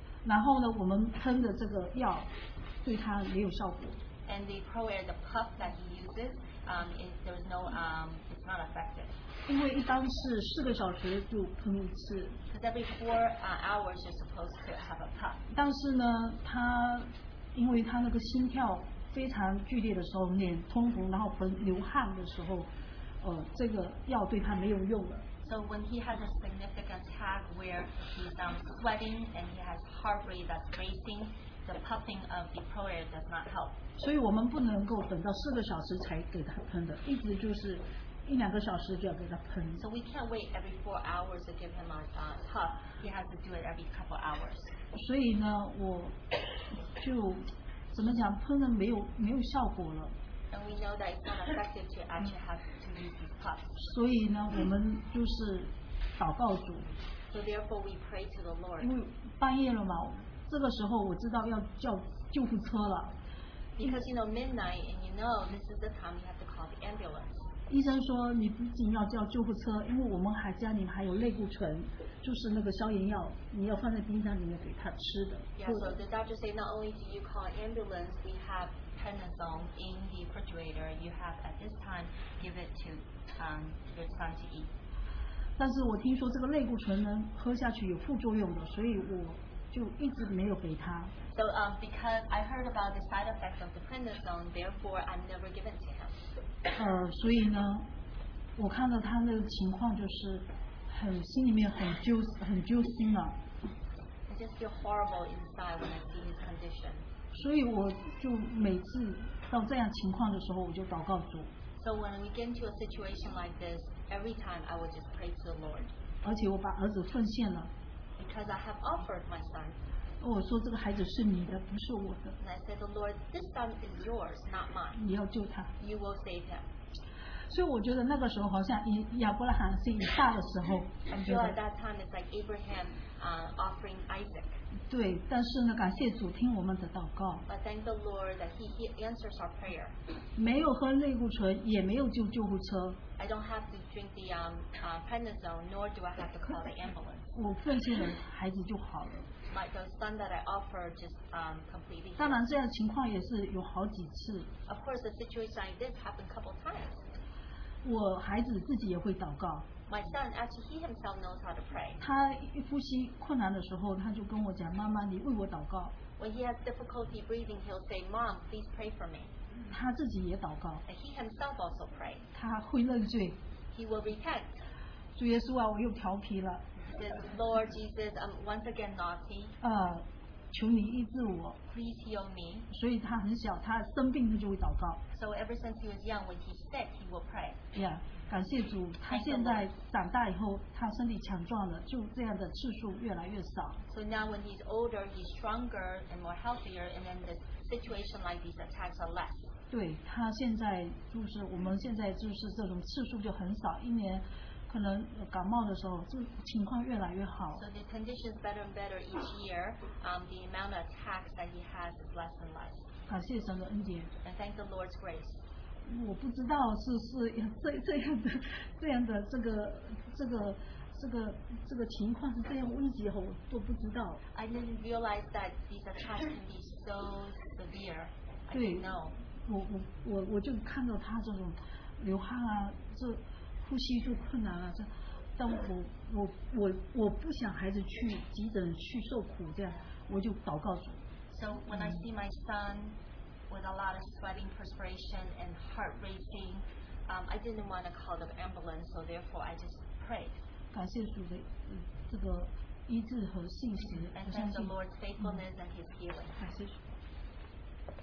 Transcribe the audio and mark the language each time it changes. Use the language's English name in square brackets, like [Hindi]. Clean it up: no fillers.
[Chinese] 然后呢，我们喷的这个药对他没有效果。 [English] And the ProAir, the puff that he uses, it's not effective. [Chinese] 因为一般是4个小时就喷一次。 [English] Because every four hours you're supposed to have a puff. [Chinese] 但是呢，他因为他那个心跳非常剧烈的时候，脸通红，然后喷流汗的时候，这个药对他没有用了。 [English] So when he has a significant attack where he's sweating and he has heart rate that's racing, the puffing of the ProAir does not help. [Chinese] 所以我们不能够等到4个小时才给他喷的，一直就是。一两个小时就要给他喷。 [English] So we can't wait every 4 hours to give him a puff. He has to do it every couple hours. [Chinese] 所以呢，我就怎么讲，喷了没有效果了。 [English] And we know that it's not effective to actually have to use these puffs. [Chinese] 所以呢，我们就是祷告主。 [English] So therefore we pray to the Lord. [Chinese] 因为半夜了嘛，这个时候我知道要叫救护车了。 [English] Because you know midnight and you know this is the time you have to call the ambulance. [Chinese] 医生说你不仅要叫救护车，因为我们还家里还有类固醇，就是那个消炎药，你要放在冰箱里面给他吃的。 [English] Yeah, so the doctor said not only do you call ambulance, we have Panadol in the refrigerator. You have at this time give it to your son to eat. [Chinese] 但是我听说这个类固醇呢，喝下去有副作用的，所以我就一直没有给他。 [English] So because I heard about the side effects of the Panadol, therefore I've never given to him. [Chinese] 所以呢，我看到他那个情况就是很心里面很揪心了。 [English] I just feel horrible inside when I see his condition. [Chinese] 所以我就每次到这样情况的时候，我就祷告主。 [English] So when we get into a situation like this, every time I will just pray to the Lord. [Chinese] 而且我把儿子奉献了。 [English] Because I have offered my son. [Chinese] 我说这个孩子是你的，不是我的。 [English] And I said, the Lord, this son is yours, not mine. [Chinese] 你要救他。 [English] You will save him. [Chinese] 所以我觉得那个时候好像亚伯拉罕信大的时候。 [English] I feel at that time it's like Abraham offering Isaac. [Chinese] 对，但是呢，感谢主听我们的祷告。 [English] But thank the Lord that he answers our prayer. [Chinese] 没有喝类固醇，也没有救救护车。 [English] I don't have to drink the prednisone, nor do I have to call the ambulance. [Chinese] 我奉献了孩子就好了。 [English] Like the son that I offer just completely. [Chinese] 当然，这样的情况也是有好几次。 [English] Of course, the situation like this happened a couple times. [Chinese] 我孩子自己也会祷告。 [English] My son, actually, he himself knows how to pray. [Chinese] 他一呼吸困难的时候，他就跟我讲：“妈妈，你为我祷告。” [English] When he has difficulty breathing, he'll say, "Mom, please pray for me." [Chinese] 他自己也祷告。 [English] And he himself also prays. [Chinese] 他会认罪。 [English] He will repent. [Chinese] 主耶稣啊，我又调皮了。 [English] Lord Jesus, once again naughty. [Chinese] 求你医治我。 [English] Please heal me. [Chinese] 所以他很小，他生病他就会祷告。 [English] So ever since he was young, when he's sick, he will pray. [Chinese] Yeah, 感谢主，他现在长大以后，他身体强壮了，就这样的次数越来越少。 [English] So now when he's older, he's stronger and more healthier, and then the situation like these attacks are less. [Chinese] 对，他现在就是我们现在就是这种次数就很少，一年。可能感冒的时候，这情况越来越好。 [English] So the condition is better and better each year. The amount of attacks that he has is less and less. [Chinese] 感谢神的恩典。 [English] And thank the Lord's grace. [Chinese] 我不知道是这样的情况是这样危急，我都不知道。 [English] I didn't realize that these attacks can be so severe. I didn't know. [Chinese] 我就看到他这种流汗啊，这呼吸就困难了，这，但我不想孩子去急诊去受苦，这样我就祷告主。 [English] So when I see my son with a lot of sweating, perspiration, and heart racing, I didn't want to call the ambulance, so therefore I just prayed. [Chinese] 感谢主的这个医治和信实。 [English] And thank the Lord's faithfulness and His healing. [Chinese] 感谢主。